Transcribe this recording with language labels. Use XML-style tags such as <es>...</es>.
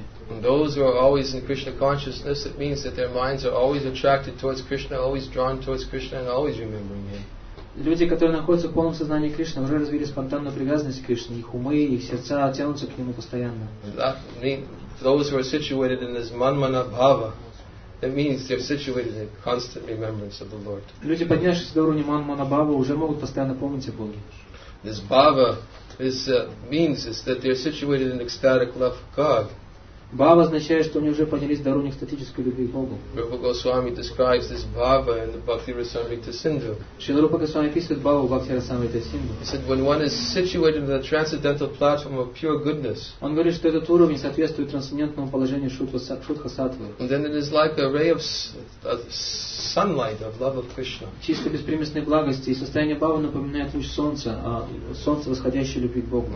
<en>And those who are always in Krishna consciousness, it means that their minds are always attracted towards Krishna, always drawn towards Krishna, and always remembering Him.</en> <ru>Люди, которые находятся в полном сознании Кришны, уже развили спонтанную привязанность к Кришне. Их умы, их сердца тянутся к Нему постоянно.</ru> <en>Those who are situated in this manmana bhava, that means they're situated in constant remembrance of the Lord.</en> <ru>Люди, поднявшись до уровня манмана бхавы, уже могут постоянно помнить о Боге.</ru> <en>This bhava means that they're situated in ecstatic love for God.</en> <ru>Bhava означает, что они уже поднялись до уровня экстатической любви к Богу.</ru> <en>Rupa Goswami describes this bhava in the Bhakti Rasamrita Sindhu.</en> <ru>Шрила Рупа Госвами описывает бхаву в Бхакти Расамрита Синдху.</ru> <en>He said, when one is situated in the transcendental platform of pure goodness,</en> <ru>он говорит, что этот уровень соответствует трансцендентному положению шутха-сатвы.</ru> <en>And then it is like a ray of sunlight of love of Krishna.</en> <ru>Чисто беспримесной благости, и состояние бхавы напоминает луч солнца, солнце восходящей любви к Богу.</ru>